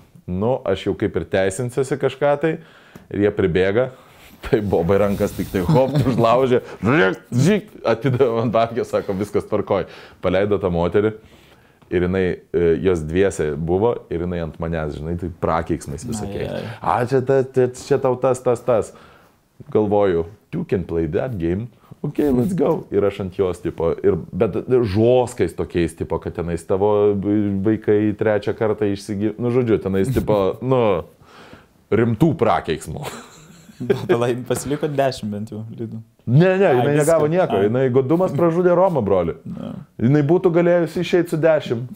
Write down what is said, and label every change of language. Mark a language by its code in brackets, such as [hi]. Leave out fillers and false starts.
[lt] Nu, aš jau kaip ir teisinsiuosi kažką tai. Ir jie pribėga, tai bobai rankas tik tai hopt užlaužė, žik, atidavė man babkę, sako, viskas tvarkoj. Paleido tą moterį ir jinai, jos dviese buvo ir jinai ant manęs, žinai, tai prakeiksmais visokiai. A, čia tau tas. Galvoju, [en] you can play that game, okay, let's go. [lt] Ir aš ant jos, tipo, ir, bet žoskais tokiais, tipo, kad tenais tavo vaikai trečią kartą išsigyvė, nu, žodžiu, tenais, tipo, nu... Rimtų prakeiksmų. Pasiliko 10 bent jau lydų. Ne, jinai negavo nieko. Jinai godumas pražudė Romą, broli. Ne. Jinai būtų galėjusi išeiti su 10.